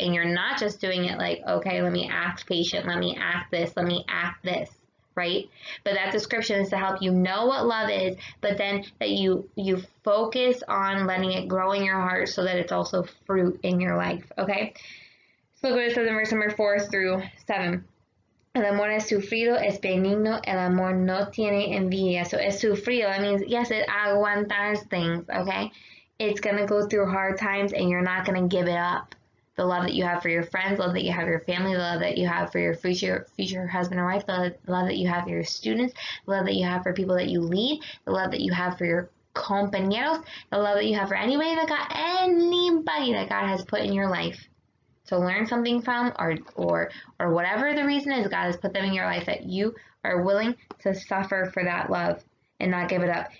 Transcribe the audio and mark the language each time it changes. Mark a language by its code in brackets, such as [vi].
[en] And you're not just doing it like, okay, let me act patient. Let me act this, right? But that description is to help you know what love is, but then that you focus on letting it grow in your heart so that it's also fruit in your life, okay? So look what it says in verse number 4-7. [es] El amor es sufrido, es benigno, el amor no tiene envidia. [en] So [es] es sufrido, [en] that means, yes, it aguantas things, okay? It's going to go through hard times, and you're not going to give it up. The love that you have for your friends, love that you have for your family, love that you have for your future husband or wife, the love that you have for your students, love that you have for people that you lead, the love that you have for your compañeros, the love that you have for anybody that God has put in your life to learn something from, or whatever the reason is, God has put them in your life, that you are willing to suffer for that love and not give it up.